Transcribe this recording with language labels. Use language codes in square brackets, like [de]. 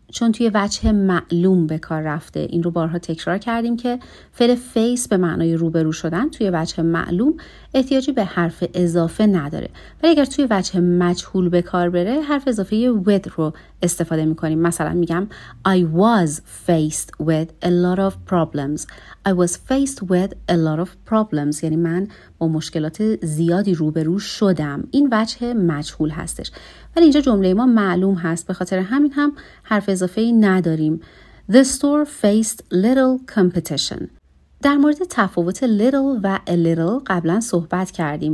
[fa] چون توی وجه معلوم به کار رفته. این رو بارها تکرار کردیم که فعل face به معنای روبرو شدن توی وجه معلوم احتیاجی به حرف اضافه نداره. ولی اگر توی وجه مجهول به کار بره حرف اضافه with رو استفاده میکنیم. مثلا میگم [en] I was faced with a lot of problems. I was faced with a lot of problems. [fa] یعنی من با مشکلات زیادی روبرو شدم. این وجه مجهول هستش. ولی اینجا جمله ما معلوم هست. به خاطر همین هم حرف اضافه ای نداریم. [en] The store faced little competition. [fa] در مورد تفاوت little و a little قبلا صحبت کردیم.